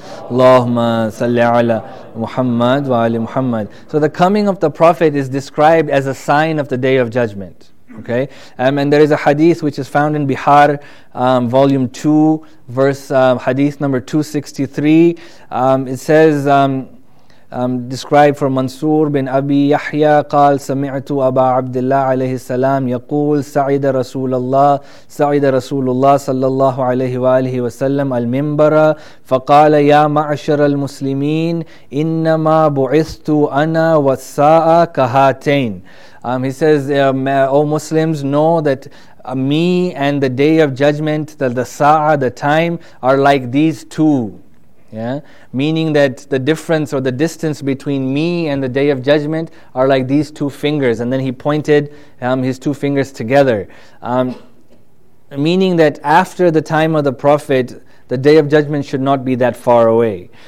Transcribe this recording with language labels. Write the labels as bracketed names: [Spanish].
[Arabic] Allahumma salli ala Muhammad wa ali Muhammad. [English] So the coming of the Prophet is described as a sign of the Day of Judgment. Okay, and there is a hadith which is found in Bihar, volume 2, hadith number 263. It says, described for Mansur bin Abi Yahya, [Arabic] قال سمعت أبا عبد الله عليه السلام يقول سعد رسول الله صلى الله عليه وآله وسلم المنبر فقال يا معشر المسلمين إنما بعثت أنا والساعة كهاتين. [English] He says, O Muslims, know that me and the Day of Judgment, the Sa'ah, the time, are like these two. Yeah, meaning that the difference or the distance between me and the Day of Judgment are like these two fingers. And then he pointed his two fingers together. Meaning that after the time of the Prophet, the Day of Judgment should not be that far away.